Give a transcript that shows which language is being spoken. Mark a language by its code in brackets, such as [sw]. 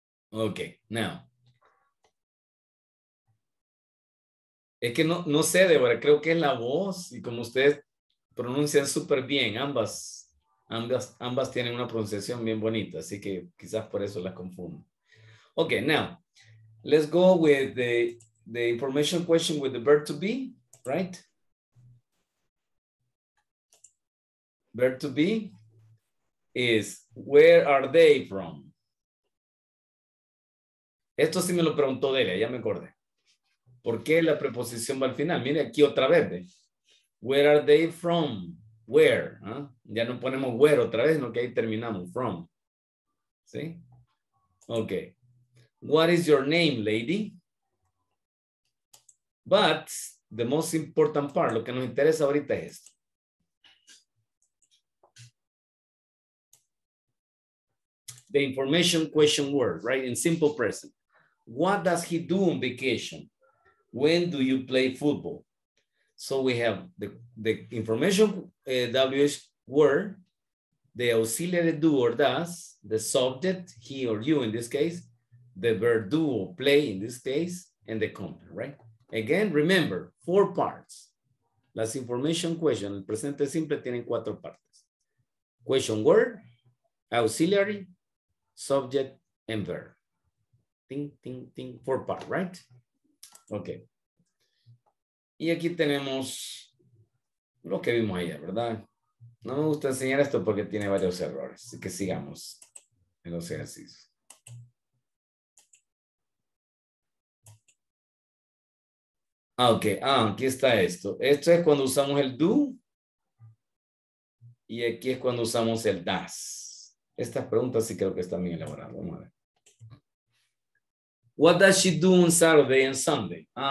[en] Ok, now. [es] Es que no sé, Débora, creo que es la voz y como ustedes pronuncian súper bien, ambas tienen una pronunciación bien bonita, así que quizás por eso la confundo. [en] Ok, now, let's go with the information question with the verb to be, right? Verb to be is, where are they from? [es] Esto sí me lo preguntó Delia, ya me acordé. ¿Por qué la preposición va al final? Mire aquí otra vez. [en] Where are they from? Where? [es] ¿Eh? Ya no ponemos where otra vez, sino que ahí terminamos. From. ¿Sí? Ok. [en] What is your name, lady? But the most important part, [es] lo que nos interesa ahorita es esto. [en] The information question word, right? In simple present. What does he do on vacation? When do you play football? So we have the information WH word, the auxiliary do or does, the subject, he or you in this case, the verb do or play in this case, and the complement, right? Again, remember, four parts. [es] Las information question, el presente simple tienen cuatro partes. [en] Question word, auxiliary, subject, and verb. [es] Ting, ting, ting, [en] four part, right? Okay. [es] Y aquí tenemos lo que vimos ayer, ¿verdad? No me gusta enseñar esto porque tiene varios errores. Así que sigamos en los ejercicios. Ah, ok. Ah, aquí está esto. Esto es cuando usamos el do. Y aquí es cuando usamos el does. Estas preguntas sí creo que están bien elaboradas. Vamos a ver. [en] What does she do on Saturday and Sunday?